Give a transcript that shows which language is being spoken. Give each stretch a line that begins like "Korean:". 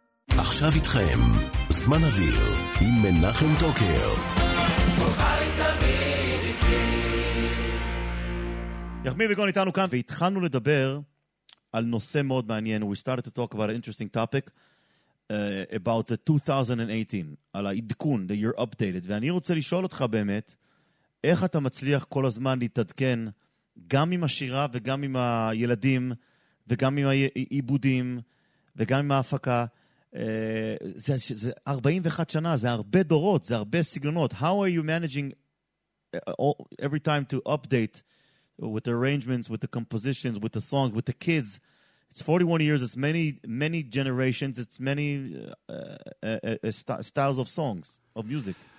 Hebrew: עכשיו איתכם זמן אוויר עם מנחם טוקר. יחמי ביגון איתנו כאן, והתחלנו לדבר על נושא מאוד מעניין.
English: We started to talk about an interesting topic about the 2018,
Hebrew: על העדכון,
English: the year updated.
Hebrew: ואני רוצה לשאול אותך באמת, איך אתה מצליח כל הזמן להתעדכן גם עם השירה וגם עם הילדים וגם עם העיבודים וגם עם ההפקה? זה 41 שנה, זה הרבה דורות, זה הרבה סגנונות.
English: How are you managing every time to update with the arrangements, with the compositions, with the songs, with the kids? It's 41 years, it's many, many generations, it's many styles of songs, of music.